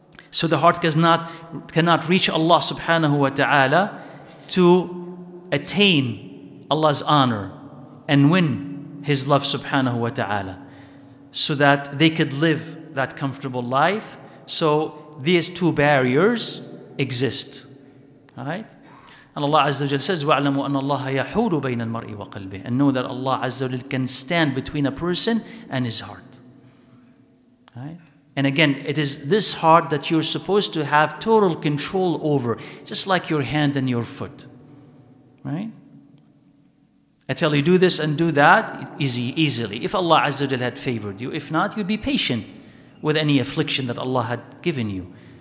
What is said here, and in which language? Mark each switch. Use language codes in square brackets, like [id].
[en] So the heart cannot reach Allah subhanahu wa ta'ala to attain Allah's honor and win His love subhanahu wa ta'ala, so that they could live that comfortable life. So these two barriers exist, right? And Allah Azza wa Jalla says, [ar] وَعْلَمُوا أَنَّ اللَّهَ يَحُولُ بَيْنَ الْمَرْءِ وَقَلْبِهِ. [en] And know that Allah Azza wa Jalla can stand between a person and his heart. Right? And again, it is this heart that you're supposed to have total control over, just like your hand and your foot. Right? I tell you, do this and do that, easily. If Allah Azza wa Jalla had favored you, if not, you'd be patient with any affliction that Allah had given you.